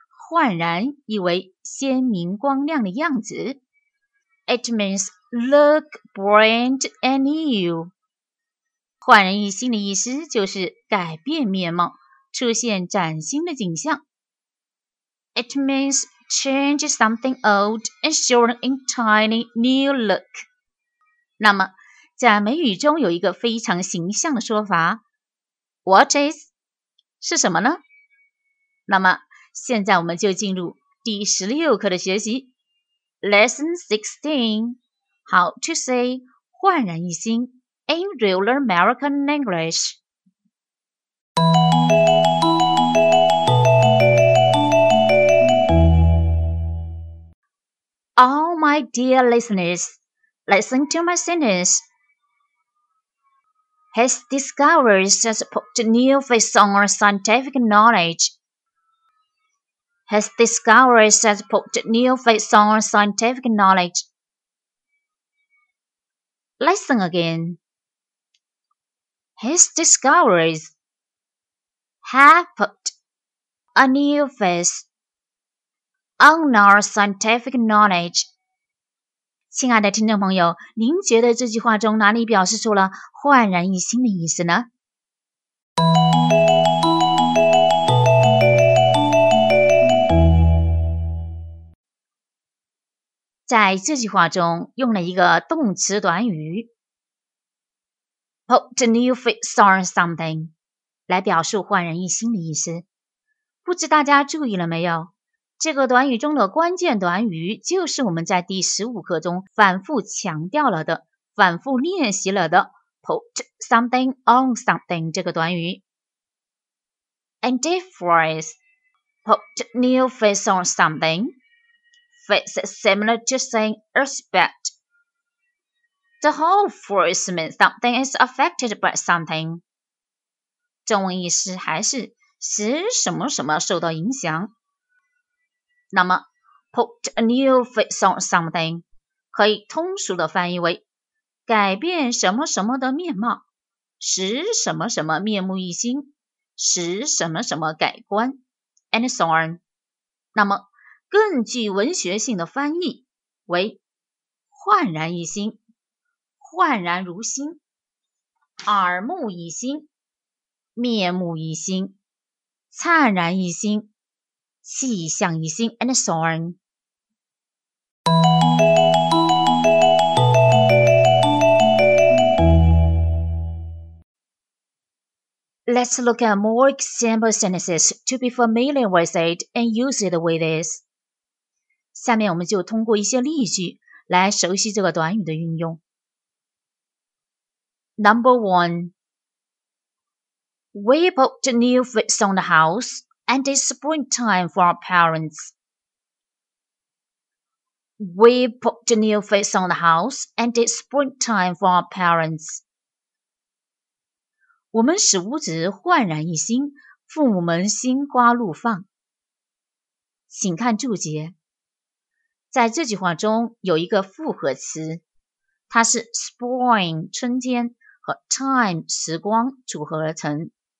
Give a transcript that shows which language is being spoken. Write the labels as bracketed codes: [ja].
[zh] 焕然意为鲜明光亮的样子。 [en] It means look brand new. [zh] 焕然一新的意思就是改变面貌，出现崭新的景象。 [en] It means change something old and show an entirely new look. [zh] 那么在美语中有一个非常形象的说法， [en] What is? [zh] 是什么呢？那么现在我们就进入第16课的学习 [en] Lesson 16 How to say [zh] 焕然一新 [en] in real American English。 All my dear listeners, listen to my sentence. His discoveries just put a new face on our scientific knowledge. His discoveries has put a new face on our scientific knowledge. Listen again. His discoveries have put a new face on our scientific knowledge. [zh] 亲爱的听众朋友，您觉得这句话中哪里表示出了焕然一新的意思呢？在这句话中用了一个动词短语 [en] put a new face on something [zh] 来表述焕然一新的意思。不知大家注意了没有，这个短语中的关键短语就是我们在第15课中反复强调了的，反复练习了的 [en] put something on something [zh] 这个短语。 [en] In this phrase put a new face on somethingFace is similar to saying respect. The whole phrase means something is affected by something. [zh] 中文意思还是使什么什么受到影响。那么 [en] put a new face on something [zh] 可以通俗的翻译为改变什么什么的面貌，使什么什么面目一新，使什么什么改观 [en] and so on. [zh] 那么更具文学性的翻译为焕然一新、焕然如新、耳目一新、面目一新、灿然一新、气象一新 [en] and so on。 Let's look at more example sentences to be familiar with it and use it with this. [zh] 下面我们就通过一些例句来熟悉这个短语的运用。 [en] Number one, we put a new face on the house and it's springtime for our parents. We put a new face on the house and it's springtime for our parents. [zh] 我们使屋子焕然一新，父母们心花怒放。请看注解。在这句话中有一个复合词，它是 spring 春天和 time 时光组合而成。